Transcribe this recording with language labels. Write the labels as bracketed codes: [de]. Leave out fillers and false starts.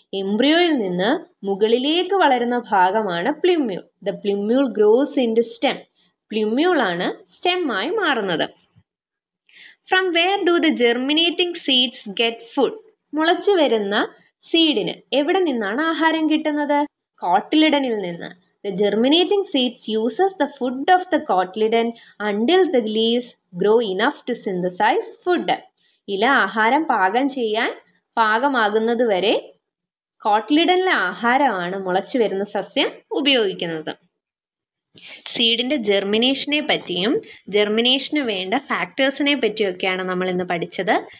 [ml] എംബ്രിയോയിൽ നിന്ന് മുകളിലേക്ക് വളരുന്ന ഭാഗമാണ് പ്ലൂമ്യൂൾ. [en] The plumule grows into stem. [ml] പ്ലൂമ്യൂൾ ആണ് സ്റ്റെമ്മായി മാറുന്നത്. [en] From where do the germinating seeds get food? [ml] മുളച്ചു വരുന്ന സീഡിന് എവിടെ നിന്നാണ് ആഹാരം കിട്ടുന്നത്? കോട്ടിലിടനിൽ നിന്ന്. [en] The germinating seeds uses the food of the cotyledon until the leaves grow enough to synthesize food. [ml] ഇല ആഹാരം പാകം ചെയ്യാൻ പാകമാകുന്നത് വരെ കോട്ടിലിഡനിലെ ആഹാരമാണ് മുളച്ചു വരുന്ന സസ്യം ഉപയോഗിക്കുന്നത്. സീഡിൻ്റെ ജെർമിനേഷനെ പറ്റിയും ജെർമിനേഷന് വേണ്ട ഫാക്ടേഴ്സിനെ പറ്റിയൊക്കെയാണ് നമ്മൾ ഇന്ന് പഠിച്ചത്.